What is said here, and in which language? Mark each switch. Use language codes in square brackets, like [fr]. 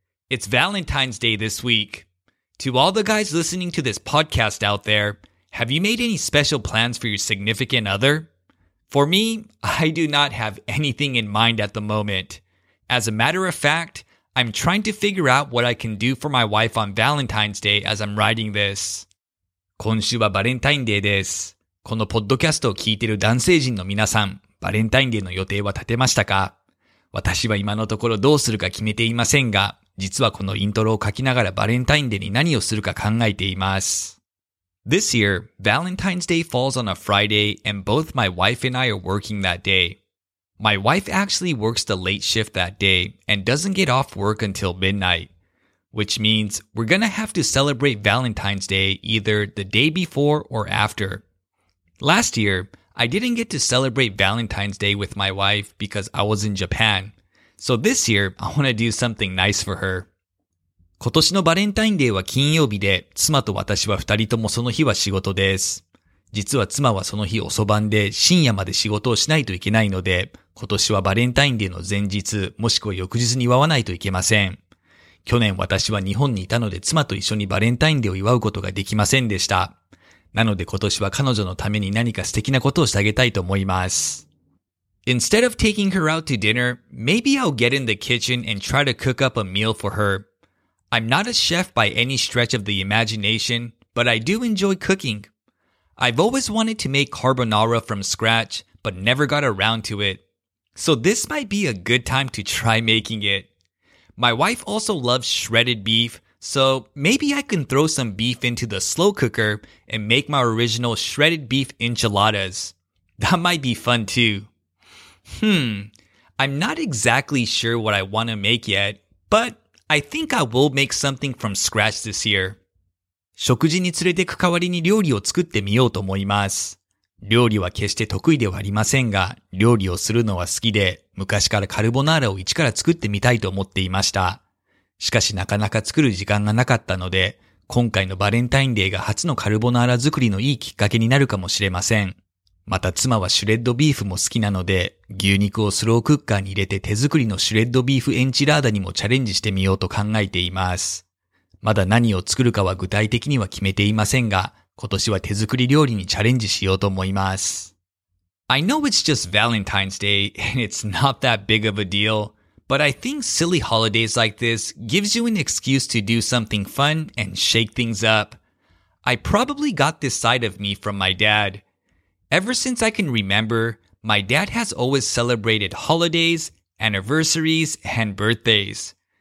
[en] It's Valentine's Day this week. To all the guys listening to this podcast out there, have you made any special plans for your significant other? For me, I do not have anything in mind at the moment. As a matter of fact, I'm trying to figure out what I can do for my wife on Valentine's Day as I'm writing this. [ja] 今週はバレンタインデーです。このポッドキャストを聞いている男性陣の皆さん、バレンタインデーの予定は立てましたか？私は今のところどうするか決めていませんが、実はこのイントロを書きながらバレンタインデーに何をするか考えています。 [en] This year, Valentine's Day falls on a Friday and both my wife and I are working that day. My wife actually works the late shift that day and doesn't get off work until midnight. Which means we're gonna have to celebrate Valentine's Day either the day before or after. Last year, I didn't get to celebrate Valentine's Day with my wife because I was in Japan. So this year, I wanna do something nice for her. [ja] 今年のバレンタインデーは金曜日で、妻と私は二人ともその日は仕事です。実は妻はその日遅番で深夜まで仕事をしないといけないので、今年はバレンタインデーの前日、もしくは翌日に祝わないといけません。去年私は日本にいたので妻と一緒にバレンタインデーを祝うことができませんでした。なので今年は彼女のために何か素敵なことをしてあげたいと思います。 [en] Instead of taking her out to dinner, maybe I'll get in the kitchen and try to cook up a meal for her. I'm not a chef by any stretch of the imagination, but I do enjoy cooking. I've always wanted to make carbonara from scratch, but never got around to it. So this might be a good time to try making it. My wife also loves shredded beef, so maybe I can throw some beef into the slow cooker and make my original shredded beef enchiladas. That might be fun too. I'm not exactly sure what I want to make yet, but... I think I will make something from scratch this year. [ja] 食事に連れてく代わりに料理を作ってみようと思います。料理は決して得意ではありませんが、料理をするのは好きで、昔からカルボナーラを一から作ってみたいと思っていました。しかしなかなか作る時間がなかったので、今回のバレンタインデーが初のカルボナーラ作りのいいきっかけになるかもしれません。また妻はシュレッドビーフも好きなので、牛肉をスロークッカーに入れて手作りのシュレッドビーフエンチラーダにもチャレンジしてみようと考えています。まだ何を作るかは具体的には決めていませんが、今年は手作り料理にチャレンジしようと思います。 [en] I know it's just Valentine's Day and it's not that big of a deal, but I think silly holidays like this gives you an excuse to do something fun and shake things up. I probably got this side of me from my dad. Ever since I can remember, my dad has always celebrated holidays, anniversaries, and birthdays.